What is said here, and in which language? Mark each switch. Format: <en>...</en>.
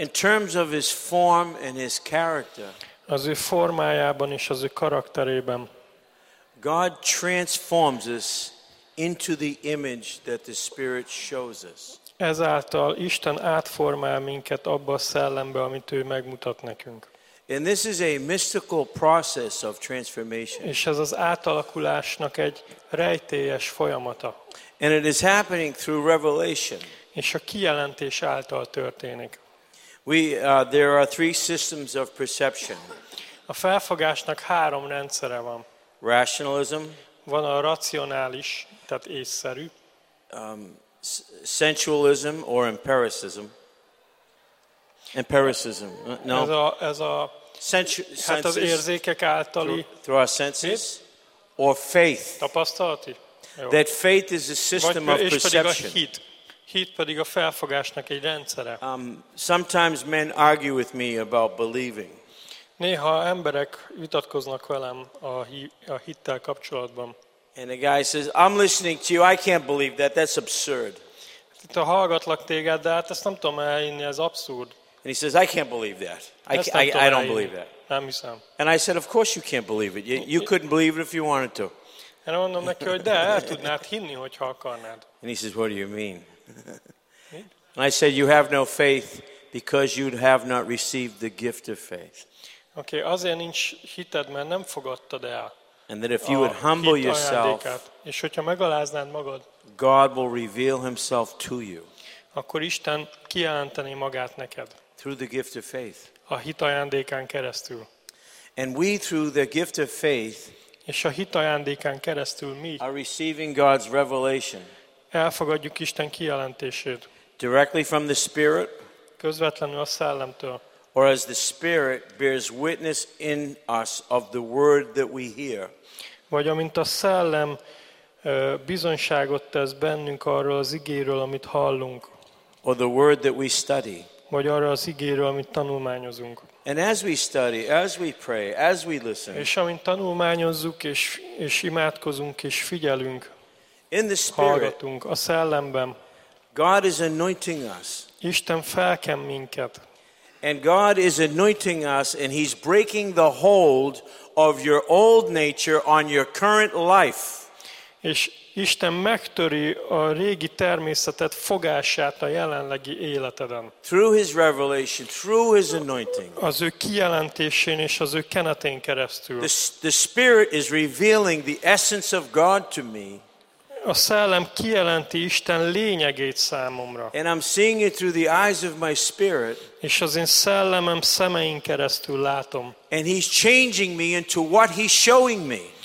<en>In terms of His form and His character,</en> <hu>az ő formájában és az ő karakterében,</hu> <en>God transforms us into the image that the Spirit shows us.</en> <hu>Ezáltal Isten átformál minket abba a szellembe, amit ő megmutat nekünk.</hu> <en>And this is a mystical process of transformation.</en> <hu>És ez az átalakulásnak egy rejtélyes folyamata.</hu> <en>And it is happening through revelation.</en> <hu>És a kijelentés által történik.</hu> <en>There are three systems of perception.</en> <hu>A felfogásnak három rendszere van.</hu> <en>Rationalism.</en> <hu>Van a racionális, tehát észszerű.</hu> <en>Sensualism or empiricism. Empiricism. No.</en> <hu>Ez az érzékek általi.</hu> <en>Through our senses. Or faith.</en> <hu>Tapasztalati.</hu> <en>That faith is a system of perception.</en> <hu>Hit pedig a felfogásnak egy rendszere.</hu> <en>Sometimes men argue with me about believing.</en> <hu>Néha emberek vitatkoznak velem a hittel kapcsolatban.</hu> <en>And a guy says, I'm listening to you, I can't believe that, that's absurd.</en> <hu>Itt hallgatlak téged, de hát ezt nem tudom elhinni, ez abszurd.</hu> <en>And he says, I can't believe that. I don't believe that.</en> <hu>Nem hiszem.</hu> <en>And I said, of course you can't believe it. You couldn't believe it if you wanted to.</en> <hu>Én mondom neki, hogy de, el tudnád hinni, hogyha akarnád.</hu> <en>And he says, what do you mean? And I said, you have no faith because you have not received the gift of faith.</en> <hu>Okay, azért nincs hited, mert nem fogadtad el.</hu> <en>And that if you would humble yourself,</en> <hu>és hogyha megaláznád magad,</hu> <en>God will reveal Himself to you.</en> <hu>Akkor Isten kijelenteni magát neked.</hu> <en>Through the gift of faith.</en> <hu>A hit ajándékán keresztül.</hu> <en>And we through the gift of faith,</en> <hu>és a hit ajándékán keresztül mi</hu> <en>are receiving God's revelation.</en> <hu>Elfogadjuk Isten kijelentését.</hu> <en>Directly from the Spirit.</en> <hu>Közvetlenül a szellemtől.</hu> <en>Or as the Spirit bears witness in us of the word that we hear.</en> <hu>Vagy amint a szellem bizonyságot tesz bennünk arról az igéről, amit hallunk.</hu> <en>Or the word that we study.</en> <hu>Vagy arról az igéről, amit tanulmányozunk.</hu> <en>And as we study, as we pray, as we listen.</en> <hu>És amint tanulmányozzuk és imádkozunk és figyelünk.</hu> <en>In the Spirit.</en> <hu>Hallgatunk a szellemben.</hu> <en>God is anointing us.</en> <hu>Isten felkem minket.</hu> <en>And God is anointing us and He's breaking the hold of your old nature on your current life.</en> <hu>És Isten megtöri a régi természetet fogását a jelenlegi életeden.</hu> <en>Through His revelation, through His anointing.</en> <hu>Az ő kijelentésén és az ő kenetén keresztül.</hu> <en>The Spirit is revealing the essence of God to me.</en> <hu>A szellem kijelenti Isten lényegét számomra.</hu> <en>And I'm seeing it through the eyes of my spirit.</en> <hu>És az én szellemem szemein keresztül látom.</hu> <en>And He's changing me into what He's showing me.</en>